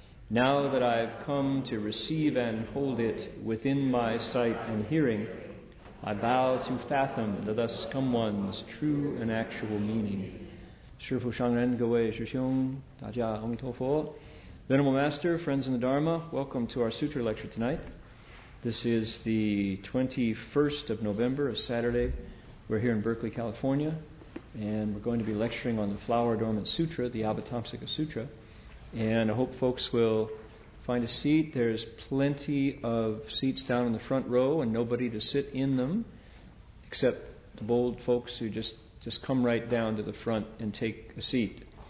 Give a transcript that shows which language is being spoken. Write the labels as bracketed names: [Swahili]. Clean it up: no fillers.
[English] Now that I've come to receive and hold it within my sight and hearing, I bow to fathom the Thus Come One's true and actual meaning. [Chinese] 师父, 上人, 各位师兄, 大家, 阿弥陀佛。 [English] Venerable Master, friends in the Dharma, welcome to our sutra lecture tonight. This is the 21st of November, a Saturday. We're here in Berkeley, California, and we're going to be lecturing on the Flower Adornment Sutra, the Avatamsaka Sutra. And I hope folks will find a seat. There's plenty of seats down in the front row and nobody to sit in them, except the bold folks who just come right down to the front and take a seat.